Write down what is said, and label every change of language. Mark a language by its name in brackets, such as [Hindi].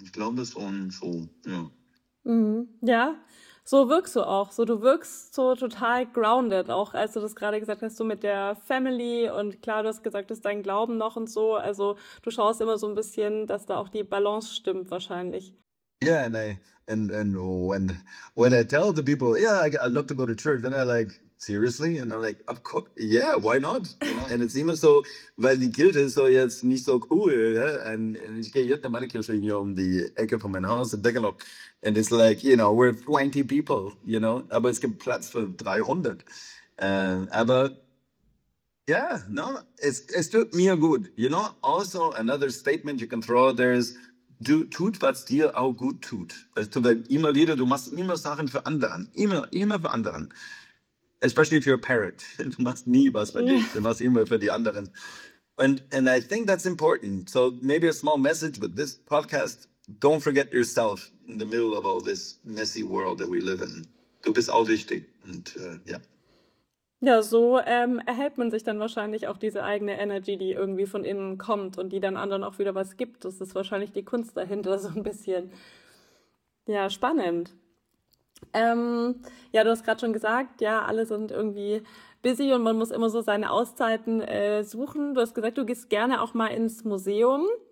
[German] Ich glaube, das war so, ja. Ja, so wirkst du auch. So, du wirkst so total grounded, auch als du das gerade gesagt hast, so mit der Family und klar, du hast gesagt, dass dein Glauben noch und so. Also du schaust immer so ein bisschen, dass da auch die Balance stimmt wahrscheinlich. [English] Yeah, and I and when I tell the people, yeah, I love to go to church, then I like, seriously? And I'm like, of course, yeah, why not? You know? And it's [German] immer so, weil die Kirche ist so jetzt nicht so cool, [English] yeah? And [German] ich gehe jetzt in meine Kirche hier um die Ecke von meinem Haus und denke noch, [English] and it's like, you know, [German] we're 20 people, you know, aber es gibt Platz für 300. Aber ja, [English] yeah, no, [German] es tut mir gut. [English] You know, also another statement you can throw there is, [German] du tut, was dir auch gut tut. Weißt du, weil immer wieder, du machst immer Sachen für andere. Immer für andere. [English] Especially if you're a parent. [German] Du machst nie was für dich. Du machst immer für die anderen. [English] And I think that's important. So maybe a small message with this podcast. Don't forget yourself in the middle of all this messy world that we live in. [German] Du bist auch wichtig. Und ja. Ja, so erhält man sich dann wahrscheinlich auch diese eigene Energy, die irgendwie von innen kommt und die dann anderen auch wieder was gibt. Das ist wahrscheinlich die Kunst dahinter, so ein bisschen. Ja, spannend. Ja, du hast gerade schon gesagt, ja, alle sind irgendwie busy und man muss immer so seine Auszeiten suchen. Du hast gesagt, du gehst gerne auch mal ins Museum.